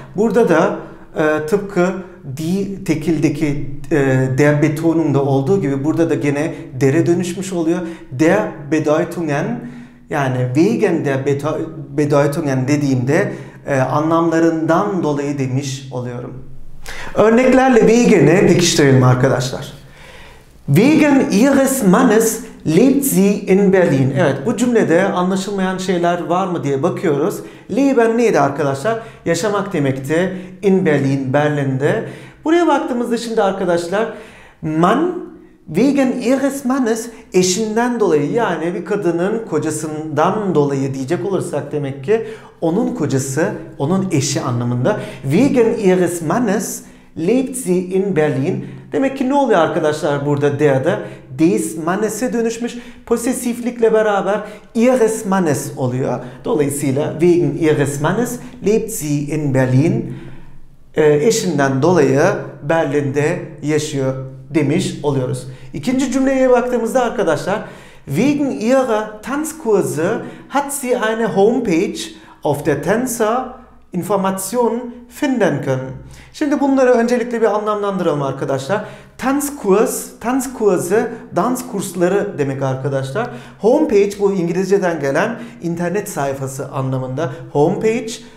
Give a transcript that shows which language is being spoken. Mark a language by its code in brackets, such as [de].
[tr] Burada da tıpkı die tekildeki der Betonung'da olduğu gibi burada da gene dere dönüşmüş oluyor. Der Bedeutungen, yani [de] wegen der Bedeutungen [tr] dediğimde anlamlarından dolayı demiş oluyorum. Örneklerle vegan'ı pekiştirelim arkadaşlar. [de] Wegen ihres Mannes lebt sie in Berlin. [tr] Evet, bu cümlede anlaşılmayan şeyler var mı diye bakıyoruz. Leben neydi arkadaşlar? Yaşamak demekti. In Berlin, Berlin'de. Buraya baktığımızda şimdi arkadaşlar Mann [de] wegen ihres Mannes [tr] eşinden dolayı, yani bir kadının kocasından dolayı diyecek olursak demek ki onun kocası, onun eşi anlamında. [de] Wegen ihres Mannes lebt sie in Berlin. [tr] Demek ki ne oluyor arkadaşlar burada der'de? Des Mannes'e dönüşmüş. Posesiflikle beraber ihres Mannes oluyor. [de] Dolayısıyla wegen ihres Mannes lebt sie in Berlin. [tr] Eşinden dolayı Berlin'de yaşıyor demiş oluyoruz. İkinci cümleye baktığımızda arkadaşlar [de] wegen ihrer Tanzkurse hat sie eine Homepage auf der Tänzer Informationen finden können. [tr] Şimdi bunları öncelikle bir anlamlandıralım arkadaşlar. Tanzkurs, Tanzkurse, dans kursları demek arkadaşlar. Homepage, bu İngilizceden gelen internet sayfası anlamında. Homepage.